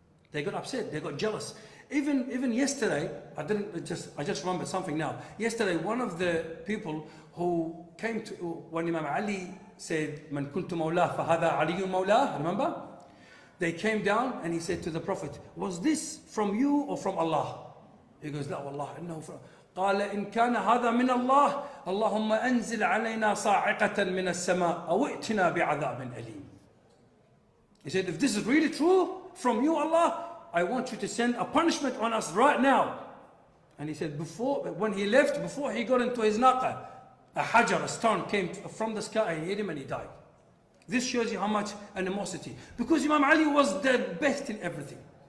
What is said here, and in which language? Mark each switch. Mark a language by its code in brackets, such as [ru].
[en] They got upset, they got jealous. Even yesterday, I just remembered something now. Yesterday, one of the people who came to, when Imam Ali said, [ar] من كنت مولاه فهذا علي مولاه, [en] remember? They came down and he said to the Prophet, was this from you or from Allah? He goes, [ar] لا والله إنه فرق. قال إن كان هذا من الله اللهم أنزل علينا صاعقة من السماء أو ائتنا بعذاب أليم. [en] He said, if this is really true from you, Allah, I want you to send a punishment on us right now. And he said, before he got into his naqa, a stone came from the sky and hit him and he died. This shows you how much animosity. Because Imam Ali was the best in everything.